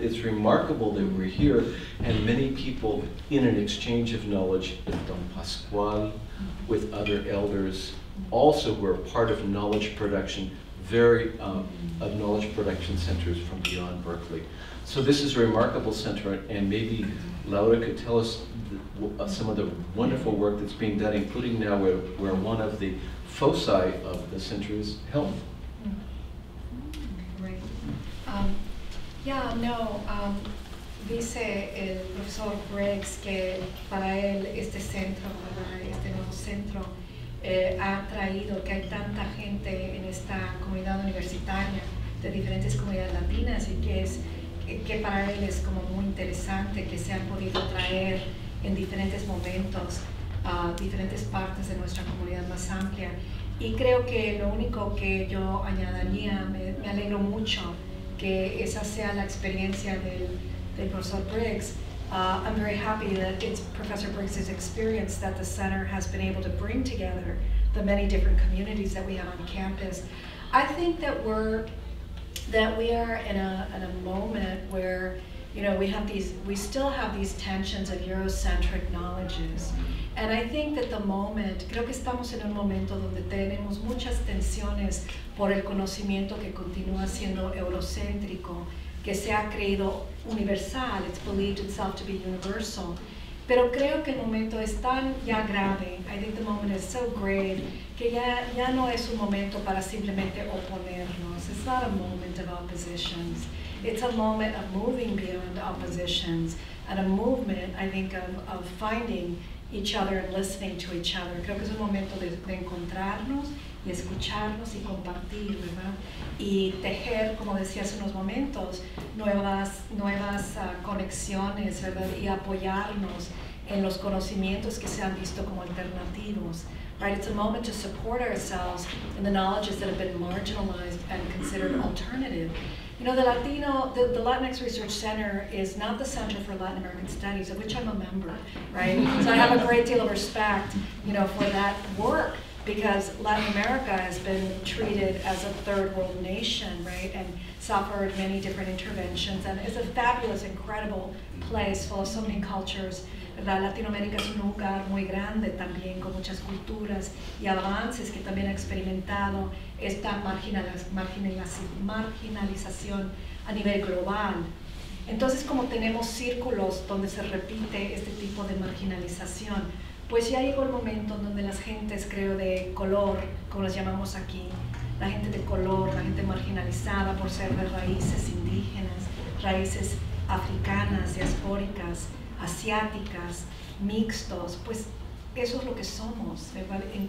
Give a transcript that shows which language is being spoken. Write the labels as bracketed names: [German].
[English] It's remarkable that we're here, and many people in an exchange of knowledge with Don Pascual, with other elders, also were part of knowledge production, of knowledge production centers from beyond Berkeley. So this is a remarkable center, and maybe Laura could tell us some of the wonderful work that's being done, including now where one of the foci of the center is health. Mm-hmm. Great. [Spanish] Yeah, no, dice el profesor Briggs que para él este centro, este nuevo centro, ha traído que hay tanta gente en esta comunidad universitaria de diferentes comunidades latinas y que para él es como muy interesante que se han podido traer en diferentes momentos a diferentes partes de nuestra comunidad más amplia. Y creo que lo único que yo añadiría, me alegro mucho que esa sea la experiencia del profesor Briggs. [English] I'm very happy that it's Professor Briggs' experience that the center has been able to bring together the many different communities that we have on campus. I think that we are in a moment where, you know, we still have these tensions of Eurocentric knowledges. And I think that the moment, [Spanish] creo que estamos en un momento donde tenemos muchas tensiones por el conocimiento que continúa siendo eurocéntrico, que se ha creído universal, [English] it's believed itself to be universal. [Spanish] Pero creo que el momento es tan ya grave, [English] I think the moment is so grave, [Spanish] que ya no es un momento para simplemente oponernos. [English] It's not a moment of oppositions. It's a moment of moving beyond oppositions and a movement, I think, of finding each other and listening to each other. [Spanish] Creo que es un momento de encontrarnos y escucharnos y compartir, ¿verdad? Y tejer, como decía hace unos momentos, nuevas conexiones, ¿verdad? Y apoyarnos en los conocimientos que se han visto como alternativos. [English] Right? It's a moment to support ourselves in the knowledges that have been marginalized and considered alternative. You know, the Latinx Research Center is not the Center for Latin American Studies, of which I'm a member, right? So I have a great deal of respect, you know, for that work, because Latin America has been treated as a third world nation, right, and suffered many different interventions, and it's a fabulous, incredible place full of so many cultures. [Spanish] La Latinoamérica es un lugar muy grande también, con muchas culturas y avances que también ha experimentado esta marginalización a nivel global. Entonces, como tenemos círculos donde se repite este tipo de marginalización, pues ya llegó el momento donde las gentes, creo, de color, como las llamamos aquí, la gente de color, la gente marginalizada por ser de raíces indígenas, raíces africanas, diaspóricas, asiáticas, mixtos, pues eso es lo que somos, ¿verdad?